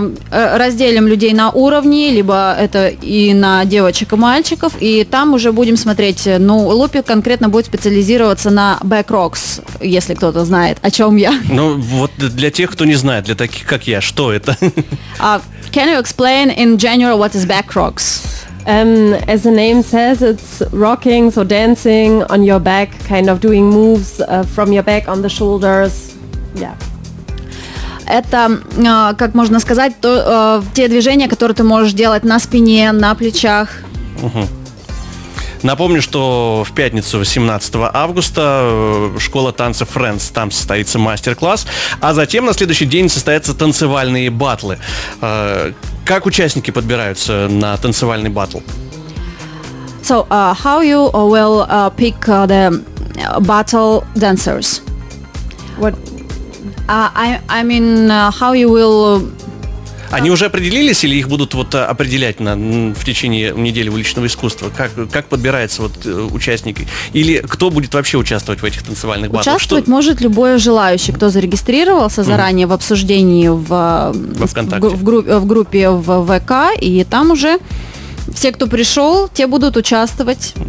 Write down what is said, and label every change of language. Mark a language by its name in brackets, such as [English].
[Russian] Разделим людей на уровни, либо это и на девочек и мальчиков, и там уже будем смотреть. Ну, Лупи конкретно будет специализироваться на бэк-рокс, если кто-то знает, о чем я. Ну, вот для тех, кто не знает, для таких, как я, что это? [English] Can you explain in general what is бэк-рокс? As the name says, it's rocking, so dancing on your back, kind of doing moves from your back on the shoulders. Yeah. [Russian] Это, как можно сказать, те движения, которые ты можешь делать на спине, на плечах. Угу. Напомню, что в пятницу, 18 августа, школа танца Friends, там состоится мастер-класс, а затем на следующий день состоятся танцевальные батлы. Как участники подбираются на танцевальный батл? [English] So, how you will pick the battle dancers? What? How you will... [Russian] Они уже определились или их будут вот определять в течение недели уличного искусства? Как подбираются вот участники? Или кто будет вообще участвовать в этих танцевальных батлах? Участвовать может любой желающий, кто зарегистрировался заранее в обсуждении в группе в ВК, и там уже все, кто пришел, те будут участвовать.